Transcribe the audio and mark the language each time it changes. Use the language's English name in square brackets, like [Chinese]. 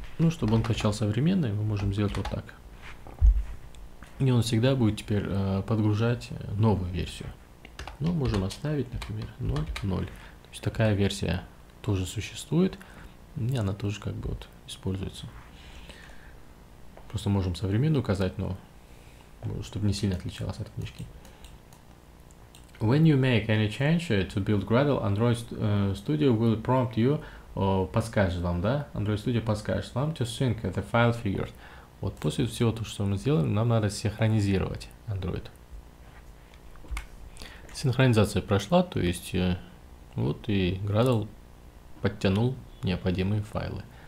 [Russian] Ну, чтобы он качал современный, мы можем сделать вот так. И он всегда будет теперь подгружать новую версию. Но можем оставить, например, 0.0. То есть такая версия тоже существует. И она тоже как бы вот используется. Просто можем современную указать, но чтобы не сильно отличалась от книжки. [English] When you make any change to build Gradle, Android Studio will prompt you. [Russian] Подскажет вам, да? Android Studio подскажет вам [English] to sync the file figures. [Russian] Вот после всего того, что мы сделали, нам надо синхронизировать Android. Синхронизация прошла, то есть вот и Gradle подтянул необходимые файлы.